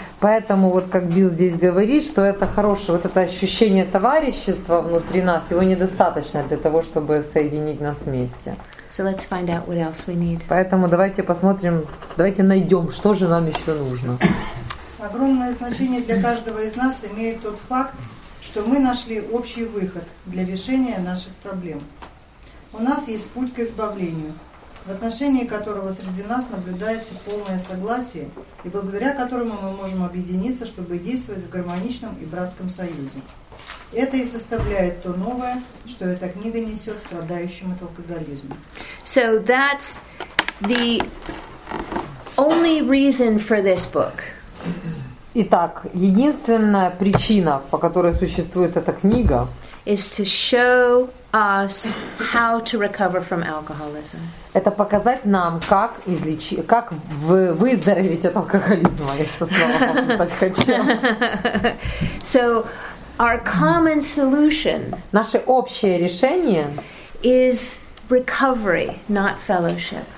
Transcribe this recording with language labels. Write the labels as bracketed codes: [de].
[ru] Поэтому вот как Билл здесь говорит, что это хорошее вот это ощущение товарищества внутри нас, его недостаточно для того, чтобы соединить нас вместе. [en] So let's find out what else we need. [ru] Поэтому давайте посмотрим, давайте найдем, что же нам еще нужно. Огромное значение для каждого из нас имеет тот факт, что мы нашли общий выход для решения наших проблем. У нас есть путь к избавлению, в отношении которого среди нас наблюдается полное согласие, и благодаря которому мы можем объединиться, чтобы действовать в гармоничном и братском союзе. Это и составляет то новое, что эта книга несет страдающим от алкоголизма. [en] So that's the only reason for this book. [ru] Итак, единственная причина, по которой существует эта книга, [en] is to show us how to recover from alcoholism. [ru] Это показать нам, как излечить, как выздороветь от алкоголизма. Я сейчас снова попытать хотела. [en] So our common solution, [ru] наше общее решение, [en] is recovery, not fellowship.